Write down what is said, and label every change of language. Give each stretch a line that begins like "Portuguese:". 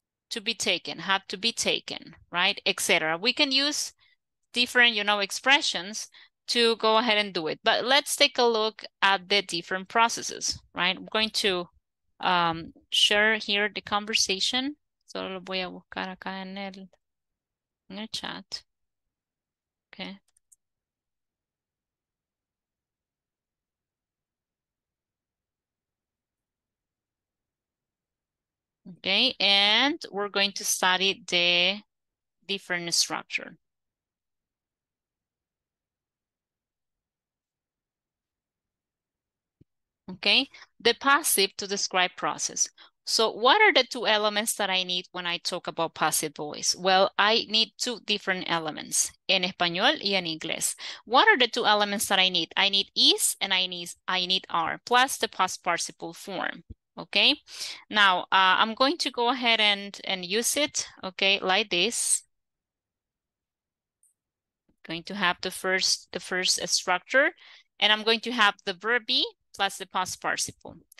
English: To be taken, have to be taken, right, etc. We can use different, you know, expressions to go ahead and do it. But let's take a look at the different processes, right? I'm going to share here the conversation.
Spanish: So lo voy a buscar acá en el chat.
English: Okay. Okay, and we're going to study the different structure. Okay, the passive to describe process. So what are the two elements that I need when I talk about passive voice? Well, I need two different elements,
Spanish: en español y en inglés.
English: What are the two elements that I need? I need is and I need are, plus the past participle form. Okay, now I'm going to go ahead and use it, okay, like this. Going to have the first structure, and I'm going to have the verb be plus the past participle.